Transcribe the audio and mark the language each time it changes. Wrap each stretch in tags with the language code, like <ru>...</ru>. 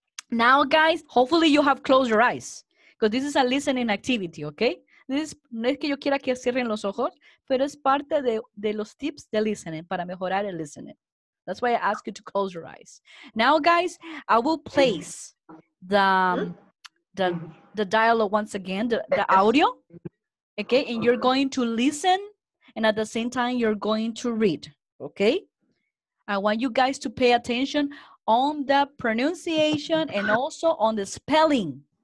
<en>Now, guys, hopefully you have closed your eyes because this is a listening activity, okay?</en> <es>No es que yo quiera que cierren los ojos, pero es parte de los tips de listening, para mejorar el listening.</es> <en>That's why I ask you to close your eyes. Now, guys, I will place the dialogue once again, the audio, okay? And you're going to listen, and at the same time, you're going to read, okay? I want you guys to pay attention on the pronunciation and also on the spelling.</en>